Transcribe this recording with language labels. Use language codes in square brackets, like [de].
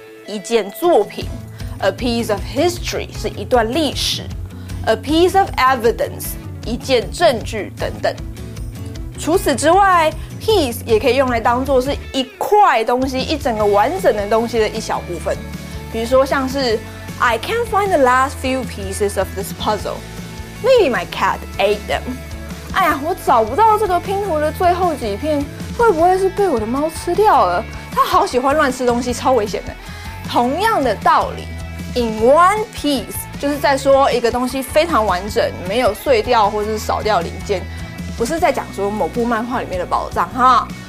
[zh] 一件作品 ， [en] a piece of history [zh] 是一段历史 ， [en] a piece of evidence [zh] 一件证据等等。除此之外 ，piece 也可以用来当作是一块东西、一整个完整的东西的一小部分。比如说像是 [en] ，I can't find the last few pieces of this puzzle. Maybe my cat ate them. [zh] 哎呀，我找不到这个拼图的最后几片，会不会是被我的猫吃掉了？它好喜欢乱吃东西，超危险的。同样的道理 ， [en] in one piece [zh] 就是在说一个东西非常完整，没有碎掉或是少掉零件，不是在讲说某部漫画里面的宝藏哈。